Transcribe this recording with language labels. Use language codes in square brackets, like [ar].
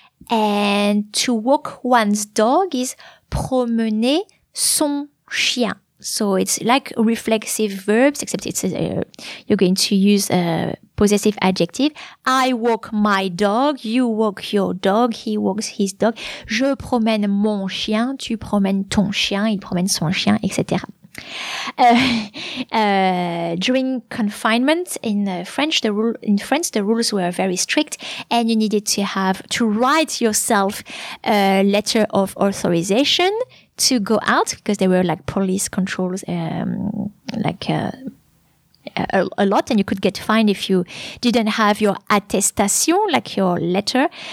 [en] And to walk one's dog is [fr] promener son chien. [en] So it's like reflexive verbs, except it's you're going to use a possessive adjective. I walk my dog, you walk your dog, he walks his dog. [fr] Je promène mon chien, tu promènes ton chien, il promène son chien, etc. [en] During confinement in French, the rules were very strict, and you needed to write yourself a letter of authorization to go out, because there were like police controls, a lot, and you could get fined if you didn't have your attestation, like your letter.